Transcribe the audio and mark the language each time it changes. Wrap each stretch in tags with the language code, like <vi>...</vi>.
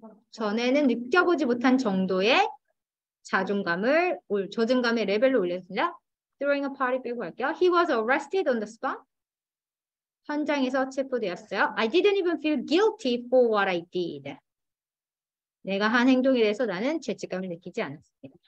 <ko>전에는 느껴보지 못한 정도의 자존감을 저존감의 레벨로 올렸습니다.</ko> <en>Throwing a party</en> <ko>빼고 할게요.</ko> <en>He was arrested on the spot.</en> <ko>현장에서 체포되었어요.</ko> <en>I didn't even feel guilty for what I did.</en> <ko>내가 한 행동에 대해서 나는 죄책감을 느끼지 않았습니다.</ko>